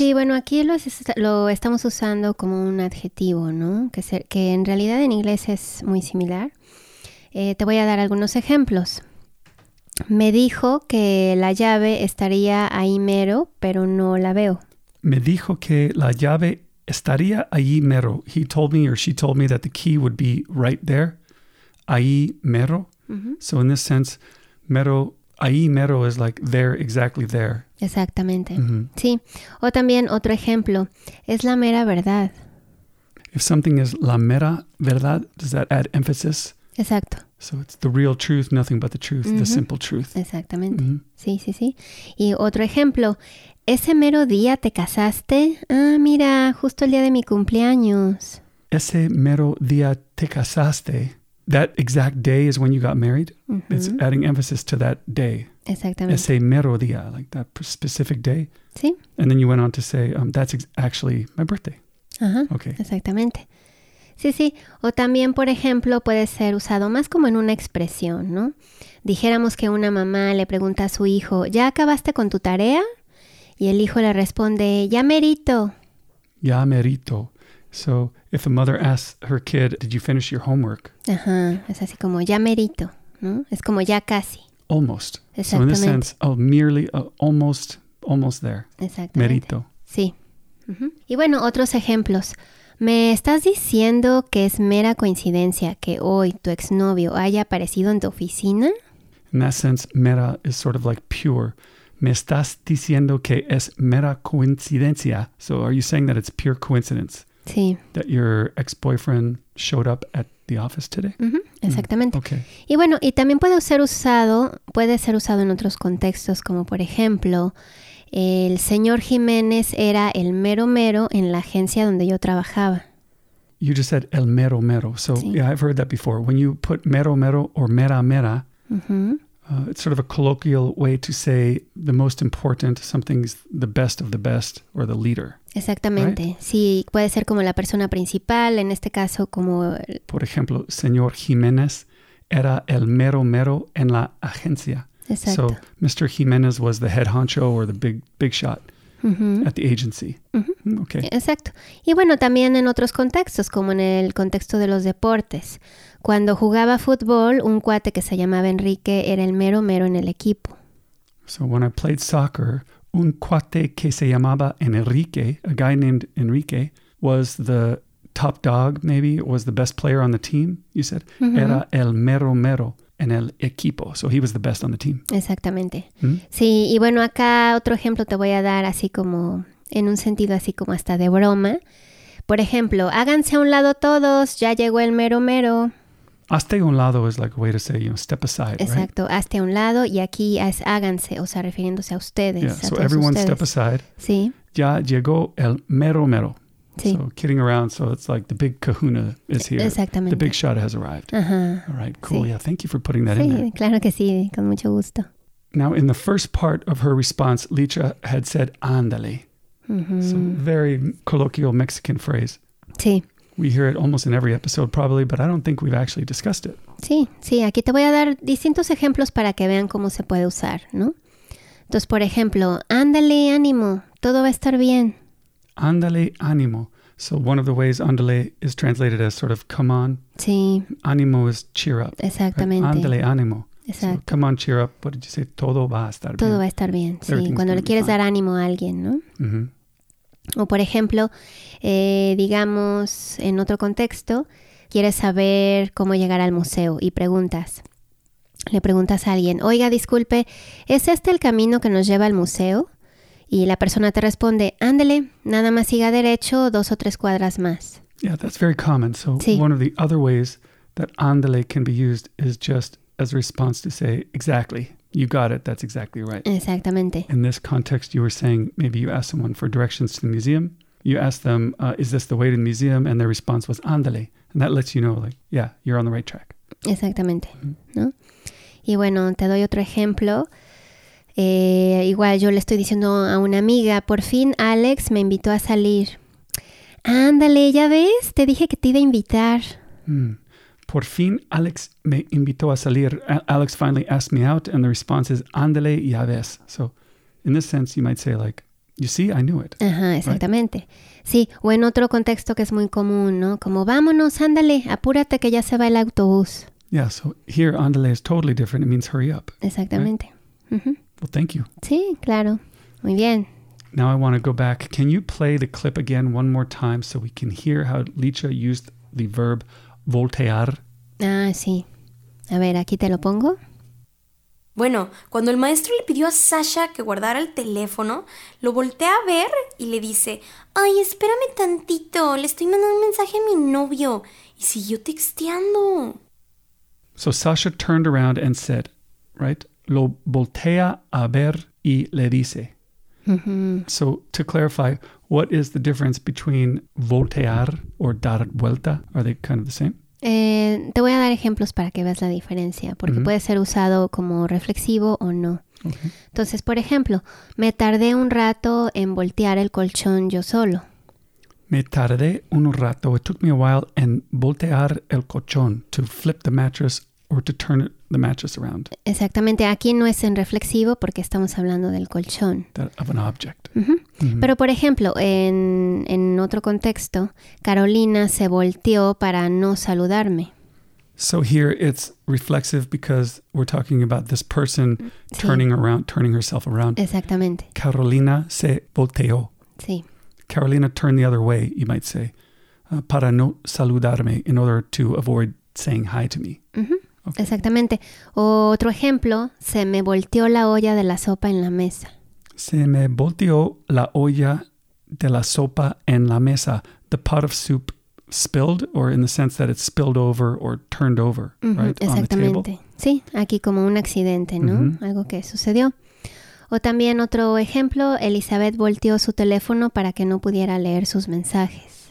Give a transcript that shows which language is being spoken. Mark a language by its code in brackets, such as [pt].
[es] Sí, bueno, aquí lo estamos usando como un adjetivo, ¿no? Que en realidad en inglés es muy similar. Te voy a dar algunos ejemplos. Me dijo que la llave estaría ahí mero, pero no la veo. Me dijo que la llave estaría ahí mero. [en] He told me or she told me that the key would be right there. [es] Ahí mero. [en] Mm-hmm. So in this sense, mero, ahí mero is like there, exactly there. [es] Exactamente. Mm-hmm. Sí. O también otro ejemplo. Es la mera verdad. [en] If something is [es] la mera verdad, [en] does that add emphasis? [es] Exacto. [en] So it's the real truth, nothing but the truth, mm-hmm. The simple truth. [es] Exactamente. Mm-hmm. Sí, sí, sí. Y otro ejemplo. ¿Ese mero día te casaste? Ah, mira, justo el día de mi cumpleaños. Ese mero día te casaste. [en] That exact day is when you got married. Mm-hmm. It's adding emphasis to that day. [es] Exactamente. Ese mero día, [en] like that specific day. [es] Sí. [en] And then you went on to say, that's actually my birthday. [es] Ajá. Okay. Exactamente. Sí, sí. O también, por ejemplo, puede ser usado más como en una expresión, ¿no? Dijéramos que una mamá le pregunta a su hijo, ¿ya acabaste con tu tarea? Y el hijo le responde, ¡ya merito! Ya merito. [en] So, if a mother asks her kid, ¿did you finish your homework? [es] Ajá. Es así como, ¡ya merito! ¿No? Es como, ¡ya casi! [en] Almost. [es] Exactamente. [en] So, in this sense, almost there. [es] Exactamente. Merito. Sí. Uh-huh. Y bueno, otros ejemplos. ¿Me estás diciendo que es mera coincidencia que hoy tu exnovio haya aparecido en tu oficina? [en] In that sense, mera is sort of like pure. [es] ¿Me estás diciendo que es mera coincidencia? [en] So are you saying that it's pure coincidence? [es] Sí. [en] That your ex-boyfriend showed up at the office today? [es] Mm-hmm. Exactamente. [en] Mm, okay. [es] Y bueno, y también puede ser usado en otros contextos, como por ejemplo, el señor Jiménez era el mero mero en la agencia donde yo trabajaba. [en] You just said [es] el mero mero. [en] So sí. Yeah, I've heard that before. When you put mero mero or mera mera, mm-hmm. It's sort of a colloquial way to say the most important, something's the best of the best or the leader. [es] Exactamente. [en] Right? [es] Sí, puede ser como la persona principal, en este caso como... Por ejemplo, señor Jiménez era el mero mero en la agencia. Exacto. [en] So, Mr. Jiménez was the head honcho or the big shot mm-hmm. at the agency. Mm-hmm. Okay. [es] Exacto. Y bueno, también en otros contextos, como en el contexto de los deportes. Cuando jugaba fútbol, un cuate que se llamaba Enrique era el mero mero en el equipo. [en] So, when I played soccer, [es] un cuate que se llamaba Enrique, [en] a guy named Enrique, was the top dog, maybe, was the best player on the team, you said. Mm-hmm. [es] Era el mero mero. En el equipo. [en] So he was the best on the team. [es] Exactamente. Mm-hmm. Sí, y bueno, acá otro ejemplo te voy a dar así como, en un sentido así como hasta de broma. Por ejemplo, háganse a un lado todos, ya llegó el mero mero. Hazte a un lado [en] is like a way to say, you know, step aside. [es] Exacto, [en] right? [es] Hazte a un lado y aquí es háganse, o sea, refiriéndose a ustedes. [en] Yeah, a so everyone [es] ustedes. [en] Step aside. [es] Sí. Ya llegó el mero mero. Sí. [en] So kidding around. So it's like the big kahuna is here. [es] Exactamente. [en] The big shot has arrived. Uh-huh. All right, cool. [es] Sí. [en] Yeah, thank you for putting that [es] sí, [en] in there. [es] Claro que sí, con mucho gusto. [en] Now, in the first part of her response, Licha had said, ándale. Mm-hmm. So very colloquial Mexican phrase. [es] Sí. [en] We hear it almost in every episode probably, but I don't think we've actually discussed it. [es] Sí, sí. Aquí te voy a dar distintos ejemplos para que vean cómo se puede usar, ¿no? Entonces, por ejemplo, ándale, ánimo, todo va a estar bien. Ándale, ánimo. [en] So one of the ways ándale is translated as sort of come on. [es] Sí. [en] Ánimo is cheer up. [es] Exactamente. Ándale, ánimo. Exacto. [en] So come on, cheer up. What did you say? [es] Todo va a estar bien. Todo va a estar bien, sí. Cuando le quieres dar ánimo a alguien, ¿no? Mm-hmm. O por ejemplo, digamos en otro contexto, quieres saber cómo llegar al museo y preguntas. Le preguntas a alguien, oiga, disculpe, ¿es este el camino que nos lleva al museo? Y la persona te responde, ándele, nada más siga derecho dos o tres cuadras más. [en] Yeah, that's very common. So [es] sí. [en] One of the other ways that ándele can be used is just as a response to say, exactly. You got it. That's exactly right. [es] Exactamente. [en] In this context, you were saying maybe you ask someone for directions to the museum. You ask them, is this the way to the museum? And their response was, ándale. And that lets you know, like, yeah, you're on the right track. [es] Exactamente. Mm-hmm. ¿No? Y bueno, te doy otro ejemplo. Igual yo le estoy diciendo a una amiga, por fin Alex me invitó a salir. Ándale, ya ves, te dije que te iba a invitar. Mm. Por fin, Alex me invitó a salir. [en] Alex finally asked me out, and the response is, [es] ándale, ya ves. [en] So, in this sense, you might say, like, you see, I knew it. [es] Ajá, exactamente. [en] Right? [es] Sí, o en otro contexto que es muy común, ¿no? Como, vámonos, ándale, apúrate que ya se va el autobús. [en] Yeah, so here, ándale is totally different. It means hurry up. [es] Exactamente. [en] Right? Mm-hmm. Well, thank you. [es] Sí, claro. Muy bien. [en] Now I want to go back. Can you play the clip again one more time so we can hear how Licha used the verb voltear. [es] Ah, sí. A ver, aquí te lo pongo. Bueno, cuando el maestro le pidió a Sasha que guardara el teléfono, lo voltea a ver y le dice, ay, espérame tantito, le estoy mandando un mensaje a mi novio. Y siguió texteando. [en] So Sasha turned around and said, right? [es] Lo voltea a ver y le dice. Mm-hmm. [en] So to clarify, what is the difference between voltear or dar vuelta? Are they kind of the same? [es] Te voy a dar ejemplos para que veas la diferencia, porque mm-hmm. puede ser usado como reflexivo o no. [en] Okay. [es] Entonces, por ejemplo, me tardé un rato en voltear el colchón yo solo. Me tardé un rato. [en] It took me a while [es] en voltear el colchón, [en] to flip the mattress or to turn the mattress around. [es] Exactamente. Aquí no es en reflexivo porque estamos hablando del colchón. [en] Of an object. Mm-hmm. Mm-hmm. [es] Pero, por ejemplo, en otro contexto, Carolina se volteó para no saludarme. [en] So here it's reflexive because we're talking about this person [es] sí. [en] turning herself around. [es] Exactamente. Carolina se volteó. Sí. [en] Carolina turned the other way, you might say, [es] para no saludarme, [en] in order to avoid saying hi to me. [es] Mm-hmm. Okay. Exactamente. Otro ejemplo, se me volteó la olla de la sopa en la mesa. Se me volteó la olla de la sopa en la mesa. [en] The pot of soup spilled, or in the sense that it spilled over or turned over, mm-hmm. right? [es] Exactamente. [en] On the table. [es] Sí, aquí como un accidente, ¿no? Mm-hmm. Algo que sucedió. O también otro ejemplo, Elizabeth volteó su teléfono para que no pudiera leer sus mensajes.